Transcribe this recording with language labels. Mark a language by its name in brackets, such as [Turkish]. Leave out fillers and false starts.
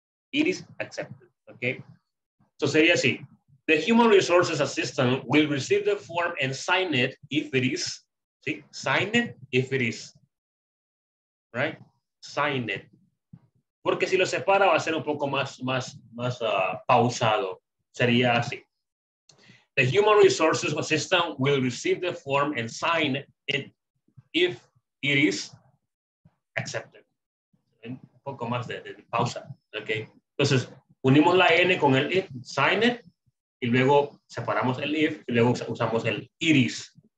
[English] Iris accepted. Ok. So [Spanish] sería así. [English] The human resources assistant will receive the form and sign it if it is. ¿Sí? Sign it if it is. Right? sign it. [Spanish] Porque si lo separa va a ser un poco más pausado. Sería así. [English] The human resources assistant will receive the form and sign it if it is accepted. [Spanish] Un poco más de pausa. Okay. Entonces, unimos la N con el if, sign it, y luego separamos el if, y luego usamos el it is.